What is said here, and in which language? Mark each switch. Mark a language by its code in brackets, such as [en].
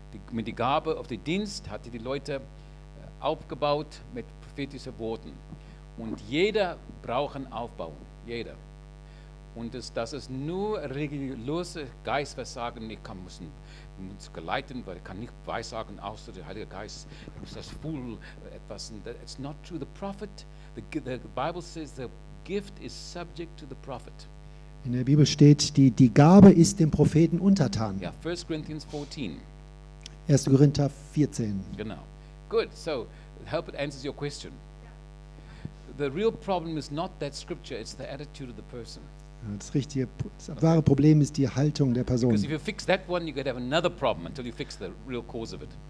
[de] Mit der Gabe auf den Dienst hat er die Leute aufgebaut mit prophetischen Worten. Und jeder braucht einen Aufbau, jeder. Und das ist nur religiöse Geist, was sagen, ich muss geleiten, weil ich kann nicht weissagen, außer der Heilige Geist, ich muss das Fuhl etwas. [en] It's not true. The prophet, the Bible says the gift is subject to the prophet. [de] In der Bibel steht, die Gabe ist dem Propheten untertan. [en] Ja, 1. Corinthians 14. [de] 1. Korinther 14. [en] Genau. Good. So, hope it answers your question. The real problem is not that scripture, it's the attitude of the person. [de] Das richtige, das wahre Problem ist die Haltung der Person. [en] Because if you fix that one, you could have another problem until you fix the real cause of it.